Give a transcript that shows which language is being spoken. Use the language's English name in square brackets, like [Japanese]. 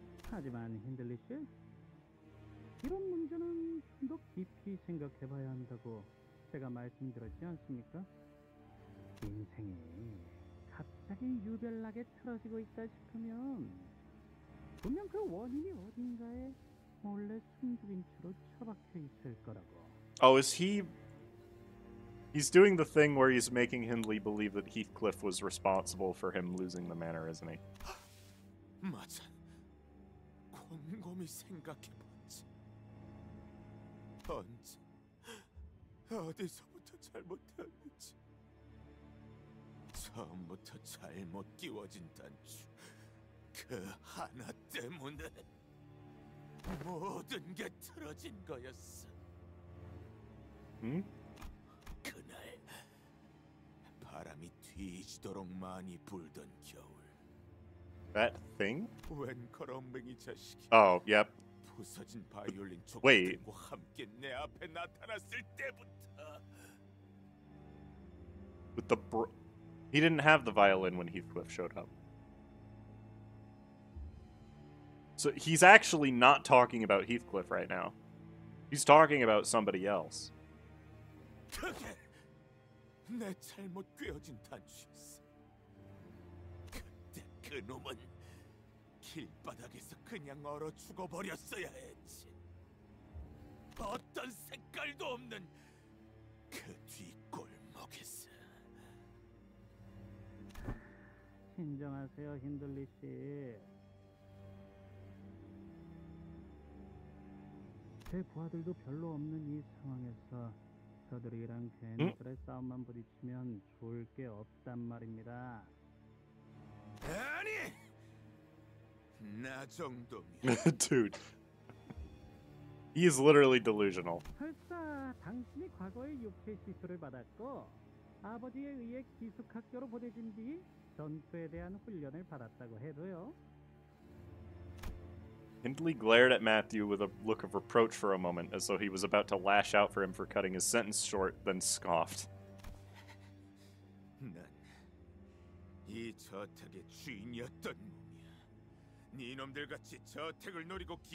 [Korean] 하지만 힌들리씨, 이런 문제는 더 깊이 생각해봐야 한다고 제가 말씀드렸지 않습니까? 인생이 갑자기 유별나게 틀어지고 있다 싶으면 분명 그 원인이 어딘가에 몰래 숨죽인 채로 처박혀 있을 거라고. [English] Oh, is he... He's doing the thing where he's making Hindley believe that Heathcliff was responsible for him losing the manor, isn't he? [Korean] 맞아. 곰곰이 생각해봤지. 언제 어디서부터 잘못했는지 처음부터 잘못 끼워진 단추 그 하나 때문에 모든 게 틀어진 거였어. 그날 바람이 뒤지도록 많이 불던 겨울. [English] That thing? [Korean] 웬 거렁뱅이 자식이. [English] Oh, yep. [Korean] 부서진 바이올린 조각들과 함께 내 앞에 나타났을 때부터. [English] With the bro, he didn't have the violin when Heathcliff showed up. So he's actually not talking about Heathcliff right now. He's talking about somebody else. [Korean] 그게 내 잘못 꿰어진 단추였어. 그때 그 놈은 길바닥에서 그냥 얼어 죽어버렸어야 했지. 어떤 색깔도 없는 그 뒷골목에서. 인정하세요, 힌들리 씨. 제 부하들도 별로 없는 이 상황에서 저들이랑 괜히들의 싸움만 부딪히면 좋을 게 없단 말입니다. 아니! 나 정도면. [English] Dude. He is literally delusional. [Korean] 설사 당신이 과거에 육체 시술을 받았고 아버지에 의해 기숙학교로 보내진 뒤 전투에 대한 훈련을 받았다고 해도요. [English] Hindley glared at Matthew with a look of reproach for a moment, as though he was about to lash out for him for cutting his sentence short, then scoffed. I was a slave of this place. You guys are different from the slaves who came to this place.